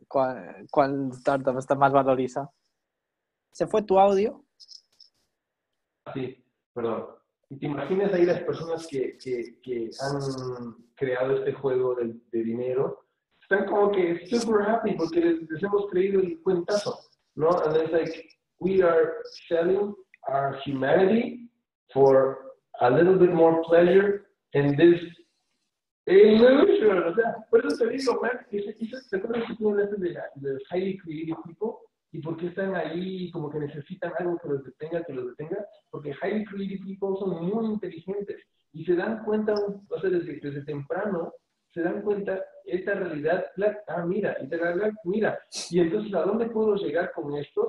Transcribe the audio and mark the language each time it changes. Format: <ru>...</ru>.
<es>¿Cuál startup está más valorizado? ¿Se fue tu audio? Sí, perdón. ¿Te imaginas ahí las personas que han creado este juego de dinero? Están como que</es> <en>super happy</en> <es>porque les hemos creído el cuentazo, ¿no?</es> <en>And it's like, we are selling our humanity for a little bit more pleasure in this illusion.</en> <es>O sea, por eso te digo, man, ¿se acuerdan que tienen esto de los</es> <en>highly creative people?</en> <es>¿Y por qué están ahí como que necesitan algo que los detenga? Porque</es> <en>highly creative people</en> <es>son muy inteligentes y se dan cuenta, o sea, desde temprano, se dan cuenta esta realidad, mira, y entonces, ¿a dónde puedo llegar con esto?</es>